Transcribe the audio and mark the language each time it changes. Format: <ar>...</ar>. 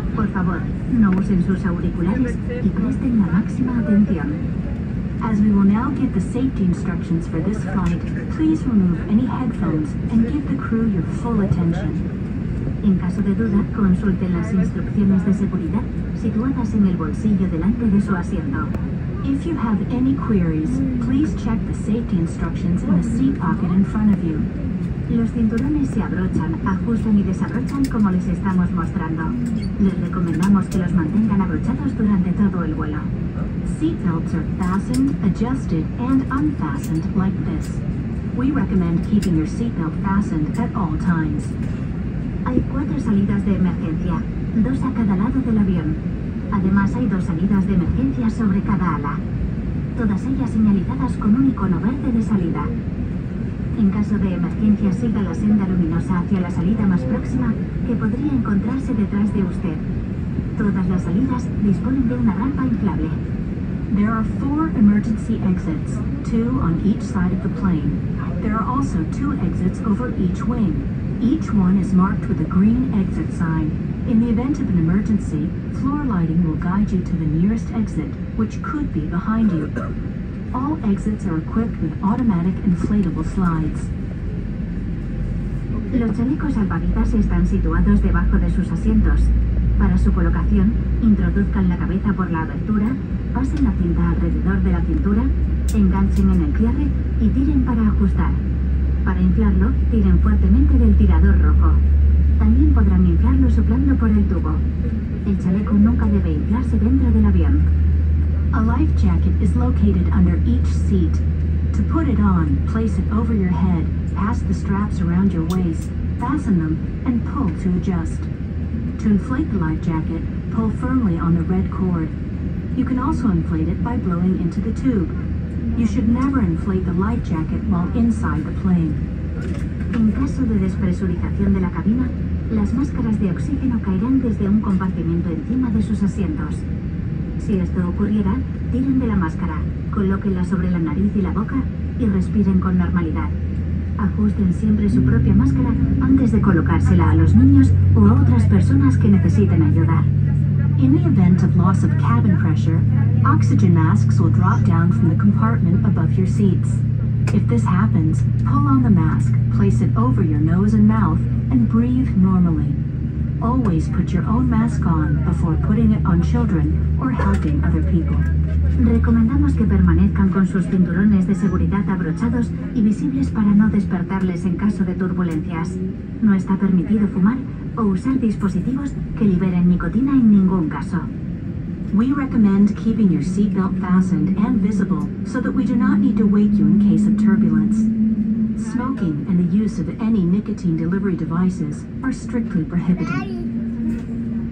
<es>Por favor, no usen sus auriculares y presten la máxima atención.</es> <en>As we will now give the safety instructions for this flight, please remove any headphones and give the crew your full attention.</en> <es>En caso de duda, consulten las instrucciones de seguridad situadas en el bolsillo delante de su asiento.</es> <en>If you have any queries, please check the safety instructions in the seat pocket in front of you.</en> <es>Los cinturones se abrochan, ajustan y desabrochan como les estamos mostrando. Les recomendamos que los mantengan abrochados durante todo el vuelo.</es> <en>Seat belts are fastened, adjusted, and unfastened like this. We recommend keeping your seat belt fastened at all times.</en> <es>Hay cuatro salidas de emergencia, dos a cada lado del avión. Además, hay dos salidas de emergencia sobre cada ala. Todas ellas señalizadas con un icono verde de salida. En caso de emergencia, siga la senda luminosa hacia la salida más próxima que podría encontrarse detrás de usted. Todas las salidas disponen de una rampa inflable.</es> <en>There are four emergency exits, two on each side of the plane. There are also two exits over each wing. Each one is marked with a green exit sign. In the event of an emergency, floor lighting will guide you to the nearest exit, which could be behind you. All exits are equipped with automatic inflatable slides.</en> <es>Los chalecos salvavidas están situados debajo de sus asientos. Para su colocación, introduzcan la cabeza por la abertura, pasen la cinta alrededor de la cintura, enganchen en el cierre y tiren para ajustar. Para inflarlo, tiren fuertemente del tirador rojo. También podrán inflarlo soplando por el tubo. El chaleco nunca debe inflarse dentro del avión.</es> <en>A life jacket is located under each seat. To put it on, place it over your head, pass the straps around your waist, fasten them, and pull to adjust. To inflate the life jacket, pull firmly on the red cord. You can also inflate it by blowing into the tube. You should never inflate the life jacket while inside the plane.</en> <es>En caso de despresurización de la cabina, las máscaras de oxígeno caerán desde un compartimento encima de sus asientos. Si esto ocurriera, tiren de la máscara, colóquenla sobre la nariz y la boca y respiren con normalidad. Ajusten siempre su propia máscara antes de colocársela a los niños o a otras personas que necesiten ayudar.</es> <en>In the event of loss of cabin pressure, oxygen masks will drop down from the compartment above your seats. If this happens, pull on the mask, place it over your nose and mouth, and breathe normally. Always put your own mask on before putting it on children or helping other people.</en> <es>Recomendamos que permanezcan con sus cinturones de seguridad abrochados y visibles para no despertarles en caso de turbulencias. No está permitido fumar o usar dispositivos que liberen nicotina en ningún caso.</es> <en>We recommend keeping your seatbelt fastened and visible so that we do not need to wake you in case of turbulence. Smoking and the use of any nicotine delivery devices are strictly prohibited.</en>